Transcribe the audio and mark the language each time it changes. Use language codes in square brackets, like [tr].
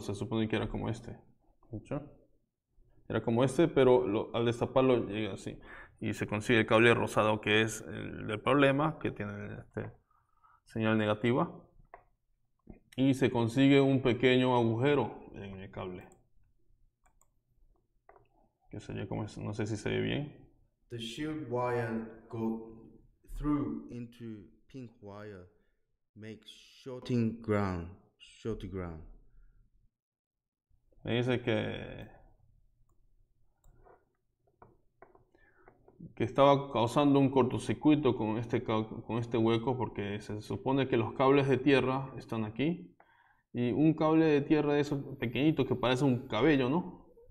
[es] Se supone que era como este. ¿Mucho? Era como este, pero al destaparlo llega así. Y se consigue el cable rosado, que es el problema, que tiene este señal negativa. Y se consigue un pequeño agujero en el cable. Que sería como este. No sé si se ve bien. [en] The shield wire go through into pink wire, make shorting ground, short ground. [es] Me dice que estaba causando un cortocircuito con este hueco, porque se supone que los cables de tierra están aquí, y un cable de tierra de esos pequeñitos que parece un cabello, ¿no?